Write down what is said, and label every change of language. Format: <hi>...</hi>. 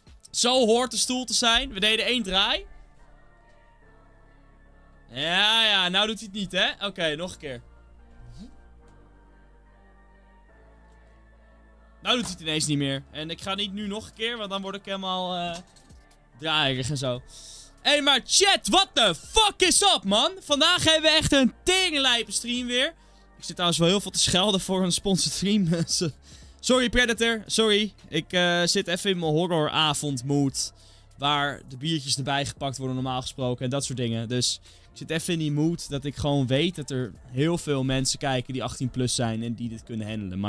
<nl>Zo hoort de stoel te zijn. We deden één draai. Ja, nou doet hij het niet, hè? Oké, nog een keer. Nou doet hij het ineens niet meer. En ik ga niet nu nog een keer, want dan word ik helemaal draaierig en zo.</nl> <en>Hey,</en> <nl>maar</nl> <en>chat, what the fuck is up, man?</en> <nl>Vandaag hebben we echt een teringlijpe stream weer. Ik zit trouwens wel heel veel te schelden voor een sponsored stream, mensen. Sorry, Predator. Sorry. Ik zit even in mijn horroravondmood. Waar de biertjes erbij gepakt worden normaal gesproken en dat soort dingen. Dus ik zit even in die mood dat ik gewoon weet dat er heel veel mensen kijken die 18 plus zijn en die dit kunnen handelen.</nl>